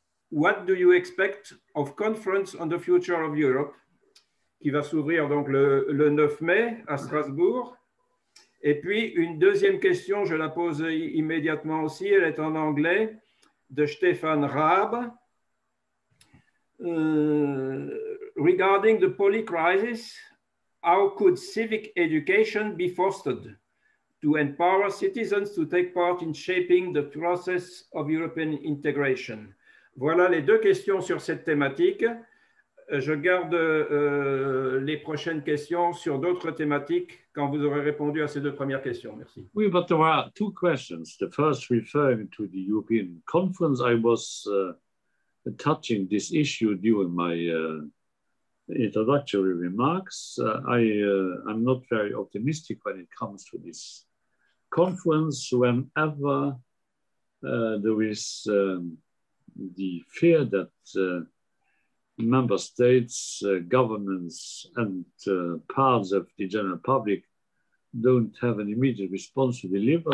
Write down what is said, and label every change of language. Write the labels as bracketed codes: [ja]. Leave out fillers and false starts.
[en] What do you expect of Conference on the Future of Europe, [fr] qui va s'ouvrir donc le 9 mai à Strasbourg. Et puis, une deuxième question, je la pose immédiatement aussi, elle est en anglais, de Stefan Raab. [en] Regarding the polycrisis, how could civic education be fostered to empower citizens to take part in shaping the process of European integration? [fr] Voilà les deux questions sur cette thématique. Je garde les prochaines questions sur d'autres thématiques quand vous aurez répondu à ces deux premières questions. Merci. [en] Oui, but there are two questions. The first referring to the European conference. I was touching this issue during my introductory remarks. I'm not very optimistic when it comes to this conference whenever there is the fear that member states, governments, and parts of the general public don't have an immediate response to deliver.